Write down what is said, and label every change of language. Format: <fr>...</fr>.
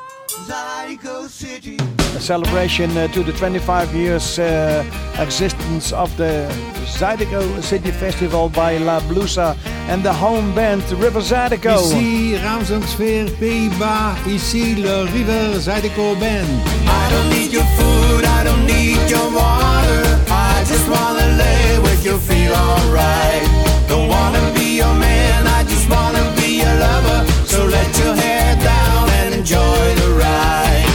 <en>Celebration to the 25 years existence of the Zydeco City Festival by La Blusa and the home band River Zydeco.</en> <fr>Ici Ramsensfeer, Pays-Bas, ici le River Zydeco Band.</fr> <en>I don't need your food, I don't need your water, I just wanna lay with you, feel alright. Don't wanna be your man, I just wanna be your lover, so let your hair down and enjoy the ride.</en>